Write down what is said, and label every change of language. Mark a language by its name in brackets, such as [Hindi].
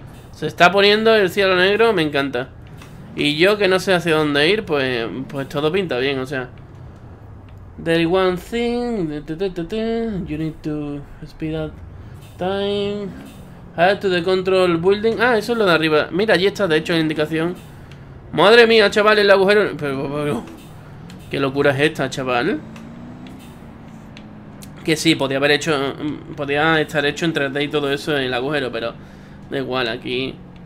[Spanish] Se está poniendo el cielo negro, me encanta. Y yo que no sé hacia dónde ir, pues todo pinta bien, o sea. [English] There is one thing. You need to speed up time. Head to the control building. [Spanish] Ah, eso es lo de arriba. Mira, allí está, de hecho, la indicación. Madre mía, chaval, el agujero. Pero, ¿qué locura es esta, chaval? Que sí, podía haber hecho. Podía estar hecho en 3D y todo eso en el agujero, pero. Da igual, aquí.